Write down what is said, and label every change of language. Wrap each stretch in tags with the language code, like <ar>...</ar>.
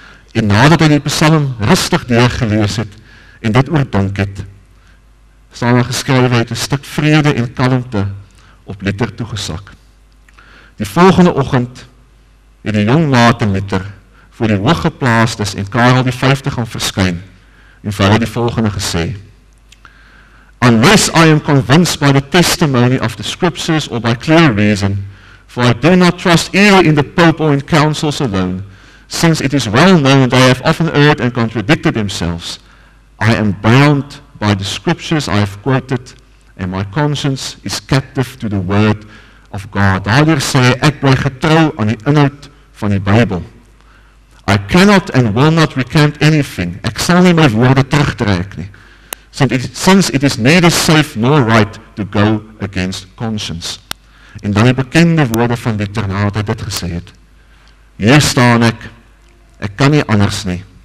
<af>En nadat hy die psalm rustig deurgelees het en dit oordink het, staan daar geskrywe het 'n stuk vrede en kalmte op Luther toegesak. Die volgende oggend het die jong Martin Luther voor die hooggeplaastes en Karel die Vyfde gaan verskyn en vir hy die volgende gesê:</af> <en>unless I am convinced by the testimony of the scriptures or by clear reason, for I do not trust either in the Pope or in councils alone, since it is well known that I have often erred and contradicted themselves. I am bound by the scriptures I have quoted, and my conscience is captive to the word of God.</en> <af>Daardeur sê, ek bly getrou aan die inhoud van die Bybel.</af> <en>I cannot and will not recant anything.</en> <af>Ek sal nie my woorde terugtrek nie.</af> <en>Since it is neither safe nor right to go against conscience.</en> <af>En dan die bekende woorde van die Ternaat het dit gesê het. Hier staan ek, ek kan nie anders nie.</af>